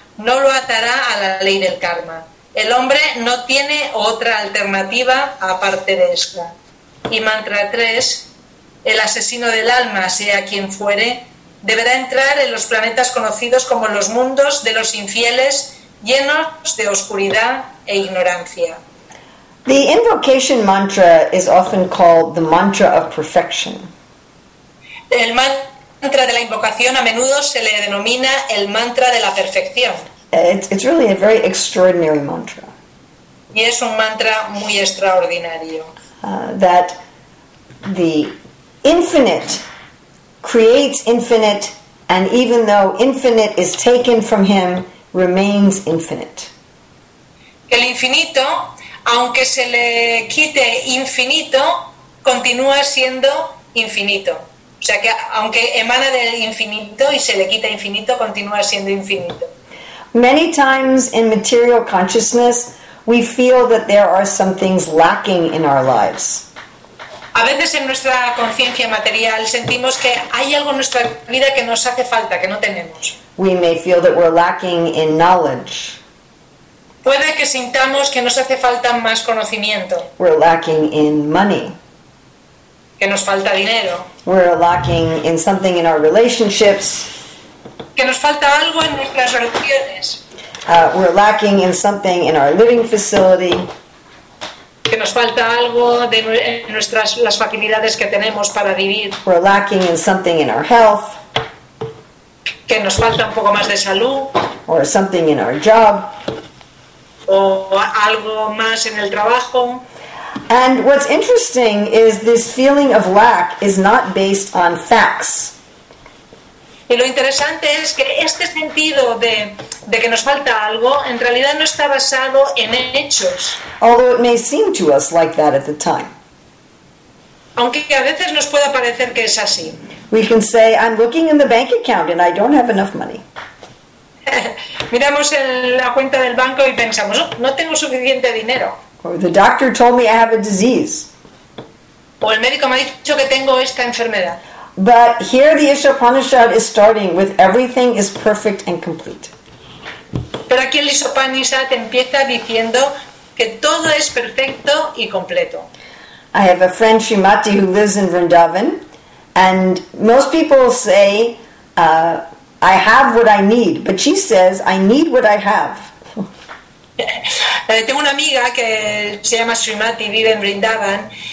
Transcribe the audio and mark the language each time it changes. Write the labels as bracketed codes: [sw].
[es] no lo atará a la ley del karma. El hombre no tiene otra alternativa aparte de esta. Y mantra 3, el asesino del alma, sea quien fuere, deberá entrar en los planetas conocidos como los mundos de los infieles, llenos de oscuridad e ignorancia. [en] The invocation mantra is often called the mantra of perfection. [es] El mantra de la invocación a menudo se le denomina el mantra de la perfección. [en] It's really a very extraordinary mantra. [es] Y es un mantra muy extraordinario. [en] That the infinite creates infinite, and even though infinite is taken from him, remains infinite. [es] El infinito, aunque se le quite infinito, continúa siendo infinito. O sea que aunque emana del infinito y se le quita infinito, continúa siendo infinito. [en] Many times in material consciousness, we feel that there are some things lacking in our lives. [es] A veces en nuestra conciencia material sentimos que hay algo en nuestra vida que nos hace falta, que no tenemos. [en] We may feel that we're lacking in knowledge. [es] Puede que sintamos que nos hace falta más conocimiento. [en] We're lacking in money. [es] Que nos falta dinero. [en] We're lacking in something in our relationships. [es] Que nos falta algo en nuestras relaciones. [en] We're lacking in something in our living facility. [es] Que nos falta algo de nuestras las facilidades que tenemos para vivir. [en] We're lacking in something in our health. [es] Que nos falta un poco más de salud. [en] Or something in our job. [es] O algo más en el trabajo. [en] And what's interesting is this feeling of lack is not based on facts. [es] Y lo interesante es que este sentido de que nos falta algo en realidad no está basado en hechos. [en] Although it may seem to us like that at the time. [es] Aunque a veces nos pueda parecer que es así. [en] We can say, I'm looking in the bank account and I don't have enough money. [es] Miramos en la cuenta del banco y pensamos, oh, no tengo suficiente dinero. [en] Or the doctor told me I have a disease. [es] O el médico me ha dicho que tengo esta enfermedad. [en] But here the Isha Upanishad is starting with everything is perfect and complete. [es] Pero aquí el Isha Upanishad empieza diciendo que todo es perfecto y completo. [en] I have a friend, Shrimati, who lives in Vrindavan. And most people say, I have what I need. But she says, I need what I have. [es] Tengo una amiga que se llama Shrimati, vive en Vrindavan.